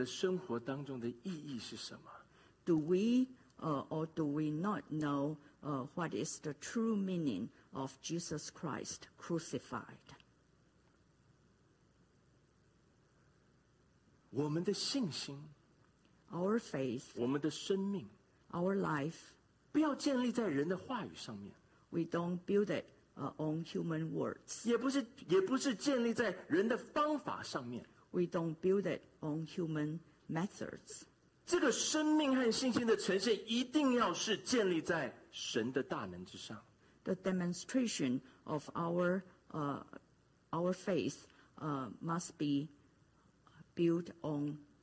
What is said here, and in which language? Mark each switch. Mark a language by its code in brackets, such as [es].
[zh] 我们知不知道主耶稣基督为我钉十字架在我的生活当中的意义是什么？ [en] Do we or do we not know what is the true meaning of Jesus Christ crucified? [zh] 我们的信心, [en] our faith, [zh] 我们的生命, [en] our life, [zh] 不要建立在人的话语上面。 [en] We don't build it on human words. [zh] 也不是建立在人的方法上面。 [en] We don't build it on human methods. [zh] 这个生命和信心的呈现一定要是建立在神的大能之上。 [en] The demonstration of our faith must be built on